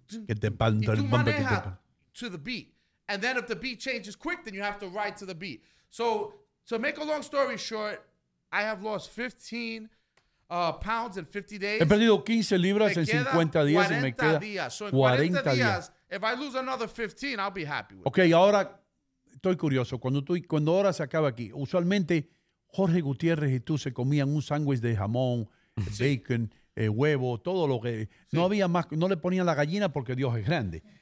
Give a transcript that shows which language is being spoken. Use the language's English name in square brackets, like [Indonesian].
[Spanish] Que te panto el bombe. [English] Y tú to the beat. And then if the beat changes quick, then you have to ride to the beat. So, to make a long story short, I have lost 15 pounds in 50 days. [Spanish] He perdido 15 libras en 50 días y me queda 40 días. [English] If I lose another 15, I'll be happy with [Spanish] okay, it. Okay, ahora estoy curioso. Cuando ahora se acaba aquí, usualmente Jorge Gutiérrez y tú se comían un sándwich de jamón, sí. Bacon, huevo, todo lo que... Sí. No había más, no le ponían la gallina porque Dios es grande.